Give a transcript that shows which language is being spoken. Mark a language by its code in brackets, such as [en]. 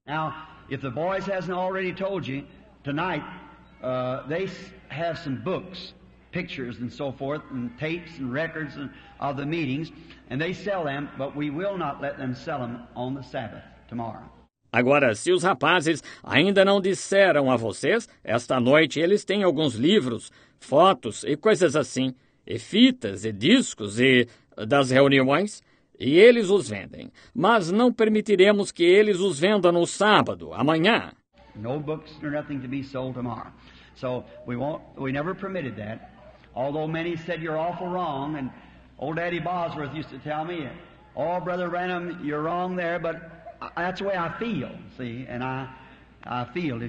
[en] Now, if the boys hasn't already told you, tonight they have some books, pictures and so forth, and tapes and records and of the meetings, and they sell them, but we will not let them sell them on the Sabbath tomorrow. [pt] Agora, se os rapazes ainda não disseram a vocês, esta noite eles têm alguns livros, fotos e coisas assim, e fitas e discos e das reuniões, e eles os vendem. Mas não permitiremos que eles os vendam no sábado, amanhã. [en] No books or nothing to be sold tomorrow. So we never permitted that. Although many said you're awful wrong, and old Daddy Bosworth used to tell me, "Oh, Brother Branham, you're wrong there, but that's the way I feel, see, and I feel.